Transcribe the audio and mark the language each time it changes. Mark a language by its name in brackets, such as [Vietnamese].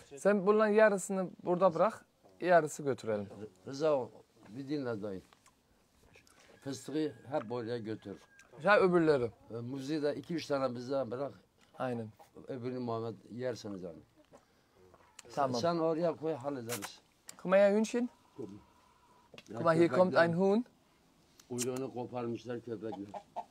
[Turkish] Sen bunların yarısını burada bırak, yarısı götürelim. Rıza, bir dinle dayı. Fıstığı hep buraya götür. Ya öbürleri. Muzi de 2-3 tane bize bırak. Aynen. Öbürünü Muhammed yerseniz hani. Tamam. Sen oraya koy hallederiz. [German] Guck mal ja Hühnchen. Guck mal, hier kommt ein Huhn. [Turkish] Uyruğunu koparmışlar köpekler.